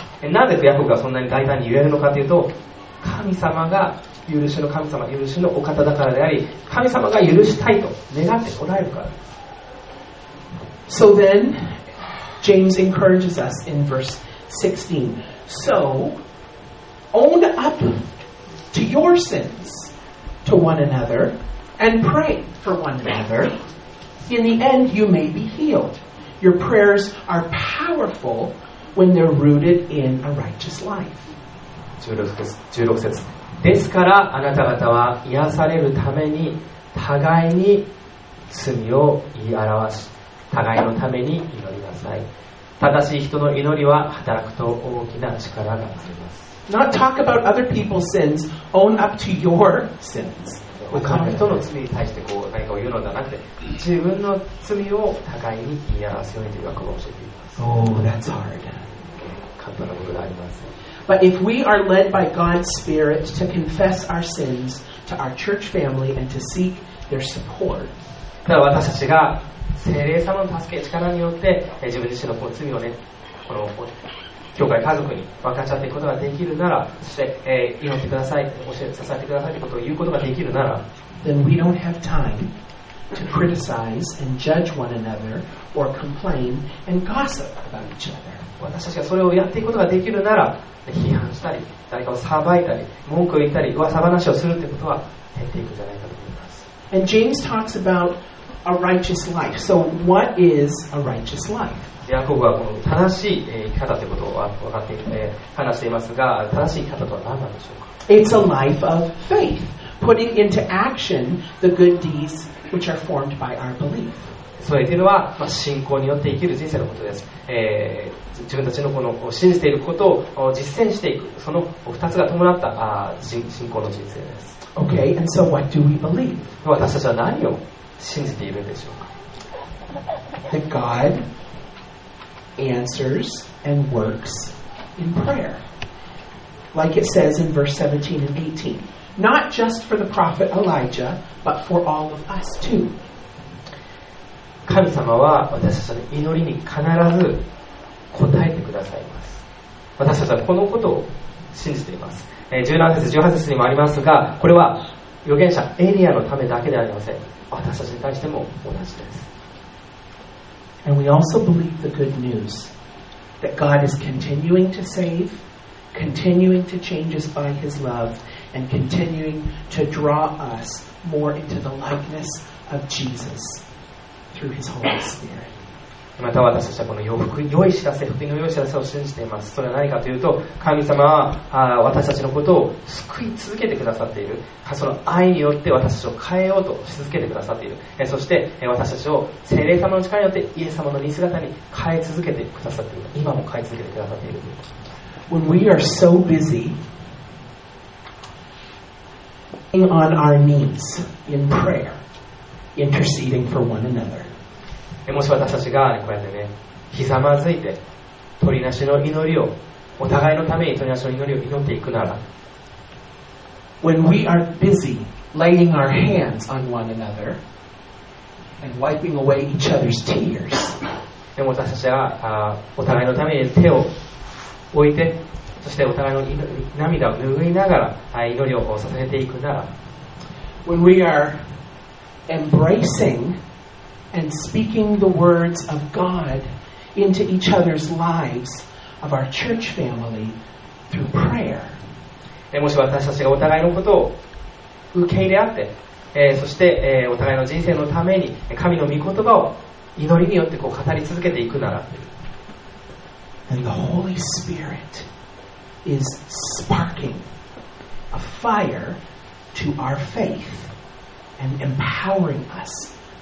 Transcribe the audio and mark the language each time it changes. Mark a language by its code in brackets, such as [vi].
[ja] なぜヤコブがそんなに大胆に言えるのかというと神様が許しの神様許しのお方だからであり神様が許したいと願っておられるから [en] So then James encourages us in verse 16 So own upTo your sins, to one another, and pray for one another. In the end, you may be healed. Your prayers are powerful when they're rooted in a righteous life. [ja] 16節。ですから、あなた方は癒されるために互いに罪を言い表し、互いのために祈りなさい。正しい人の祈りは働くと大きな力があります。 [en] Not talk about other people's sins. Own up to your sins. [ja] 他の人の罪に対してこう何かを言うのではなくて、自分の罪を互いに言い合わせようにという学校を教えています。 [en] Oh, that's hard. [ja] 簡単なことがあります。 [en] But if we are led by God's Spirit to confess our sins to our church family and to seek their support, [ja] だから私たちが聖霊様の助け力によって自分自身のこう罪をねこの教会家族に分かち合っていくことができるならそして、祈ってください教えさせてくださいということを言うことができるなら [en] Then we don't have time to criticize and judge one another or complain and gossip about each other [ja] 私たちがそれをやっていくことができるなら批判したり誰かを裁いたり文句を言ったり噂話をするということは減っていくんじゃないかと思います [en] And James talks aboutA righteous life. So, what is a righteous life? [ja] ヤコブはこの正しい生き方ということは分かっていて話していますが、正しい生き方とは何なんでしょうか? [en] It's a life of faith, putting into action the good deeds which are formed by our belief. [ja] それというのは、まあ、信仰によって生きる人生のことです。自分たちのこの信じていることを実践していく、その2つが伴った信仰の人生です。 [en] Okay, and so what do we believe? [ja] 私たちは何を信じているでしょうか? [en] That God answers and works in prayer. Like it says in verse 17 and 18. Not just for the prophet Elijah, but for all of us too. [ja] 神様は私たちの祈りに必ず答えてくださいます。私たちはこのことを信じています。17節、18節にもありますが、これは預言者エリアのためだけではありません。私たちに対しても同じです。 [en] And we also believe the good news that God is continuing to save, continuing to change us by His love, and continuing to draw us more into the likeness of Jesus through His Holy Spirit. [ja] また私たちはこの良い知らせ、福音の良い知らせを信じています。それは何かというと、神様は私たちのことを救い続けてくださっている。その愛によって私たちを変えようとし続けてくださっている。そして私たちを聖霊様の力によってイエス様の似姿に変え続けてくださっている。今も変え続けてくださっている。 [en] When we are so busy being on our knees in prayer, interceding for one another. [ja] もし私たちがこうやってね、ひざまずいて、取りなしの祈りを、お互いのために取りなしの祈りを祈っていくなら、 [en] When we are busy laying our hands on one another and wiping away each other's tears, [ja] でも私たちはお互いのために手を置いて、そしてお互いの涙を拭いながら、祈りを捧げていくなら、 [en] When we are embracing And speaking the words of God into each other's lives of our church family through prayer. [ja] もし私たちがお互いのことを受け入れ合って、そして、お互いの人生のために神の御言葉を祈りによってこう語り続けていくなら、 [en] And the Holy Spirit is sparking a fire to our faith and empowering us.